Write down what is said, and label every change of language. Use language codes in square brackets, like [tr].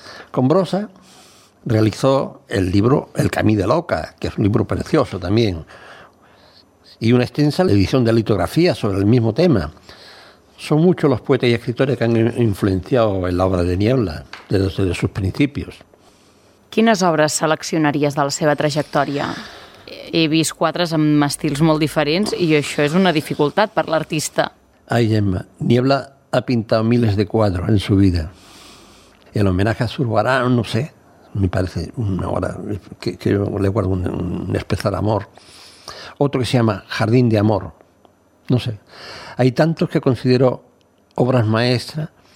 [es] Con Brossa realizó el libro El Camí de Loca, que es un libro precioso también, y una extensa edición de litografía sobre el mismo tema. Son muchos los poetas y escritores que han influenciado en la obra de Niebla desde sus principios. [ca] ¿Quines obres seleccionaries de la seva trajectòria? He vist quadres amb estils molt diferents i això és una dificultat per l'artista. [es] Ai, Gemma, Niebla ha pintado miles de cuadros en su vida. El homenaje a Zurbarán, no sé, me parece una obra que yo le guardo un especial amor. Otro que se llama Jardín de Amor, no sé. Hay tantos que considero obras maestras.